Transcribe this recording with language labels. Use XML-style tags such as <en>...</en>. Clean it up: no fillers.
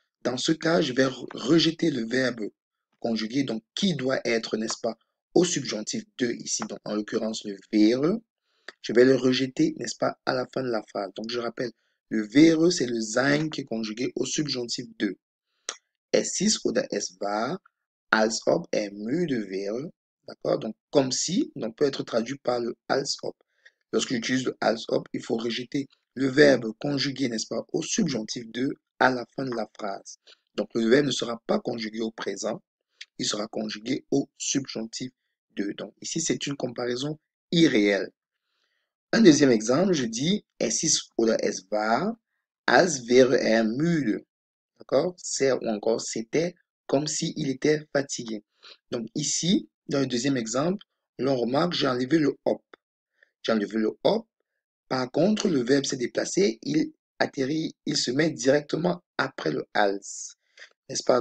<fr>Dans ce cas, je vais rejeter le verbe conjugué, donc qui doit être, n'est-ce pas, au subjonctif de ici, donc en l'occurrence le wäre. Je vais le rejeter, n'est-ce pas, à la fin de la phrase. Donc je rappelle, le wäre, c'est le sein qui est conjugué au subjonctif de.</fr> <de>Es ist oder es war, als ob er müde wäre.</de> <fr>D'accord? Donc comme si, donc peut être traduit par le als ob. Lorsque j'utilise le als ob, il faut rejeter le verbe conjugué, n'est-ce pas, au subjonctif de à la fin de la phrase. Donc le verbe ne sera pas conjugué au présent, il sera conjugué au subjonctif de. Donc ici, c'est une comparaison irréelle. Un deuxième exemple, je dis</fr> <de>es ist oder es war, als wäre er müde.</de> <fr>D'accord? C'est ou encore c'était comme si il était fatigué. Donc ici, dans le deuxième exemple, l'on remarque, j'ai enlevé le ob. J'ai enlevé le hop. Par contre, le verbe s'est déplacé. Il atterrit, il se met directement après le als. N'est-ce pas?</fr>